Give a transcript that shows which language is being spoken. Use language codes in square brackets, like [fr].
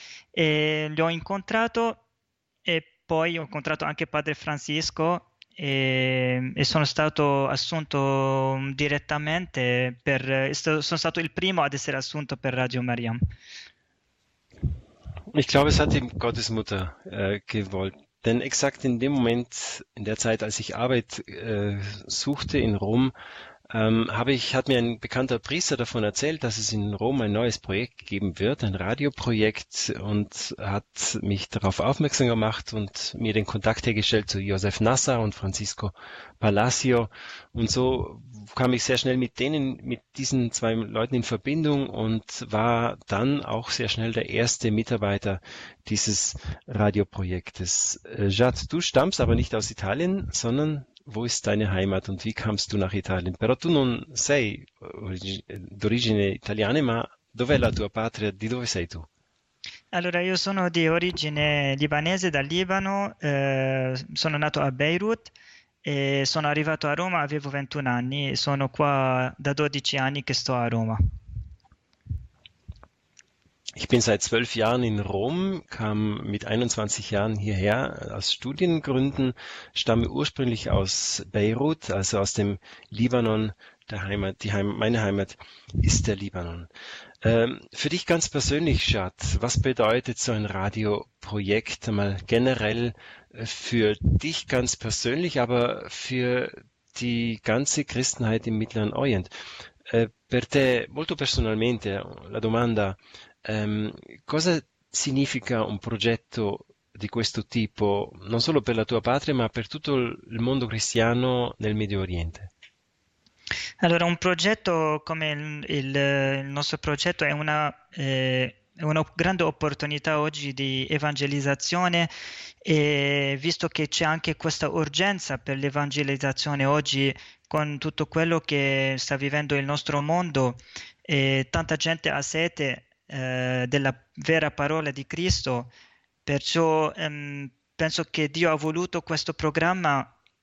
[it] e l'ho incontrato e poi ho incontrato anche padre Francisco e sono stato assunto direttamente sono stato il primo ad essere assunto per Radio Mariam. [de] Ich glaube, es hat die Gottesmutter gewollt, denn exakt in dem Moment, in der Zeit, als ich Arbeit suchte in Rom, hat mir ein bekannter Priester davon erzählt, dass es in Rom ein neues Projekt geben wird, ein Radioprojekt, und hat mich darauf aufmerksam gemacht und mir den Kontakt hergestellt zu Josef Nassar und Francisco Palacio. Und so kam ich sehr schnell mit diesen zwei Leuten in Verbindung und war dann auch sehr schnell der erste Mitarbeiter dieses Radioprojektes. Jad, du stammst aber nicht aus Italien, sondern wo ist deine Heimat und wie kamst du nach Italien? [it] Però tu non sei d'origine italiana, ma dov'è la tua patria? Di dove sei tu? Allora, io sono di origine libanese, dal Libano. Sono nato a Beirut e sono arrivato a Roma, avevo 21 anni. Sono qua da 12 anni che sto a Roma. [de] Ich bin seit 12 Jahren in Rom, kam mit 21 Jahren hierher aus Studiengründen, stamme ursprünglich aus Beirut, also aus dem Libanon, meine Heimat ist der Libanon. Für dich ganz persönlich, Jad, was bedeutet so ein Radioprojekt mal generell für dich ganz persönlich, aber für die ganze Christenheit im Mittleren Orient? [it] Per te, molto personalmente, la domanda. Cosa significa un progetto di questo tipo, non solo per la tua patria, ma per tutto il mondo cristiano nel Medio Oriente? Allora, un progetto come il nostro progetto è una grande opportunità oggi di evangelizzazione, e visto che c'è anche questa urgenza per l'evangelizzazione oggi con tutto quello che sta vivendo il nostro mondo, e tanta gente ha sete della vera parola di Cristo, perciò penso che Dio ha voluto questo programma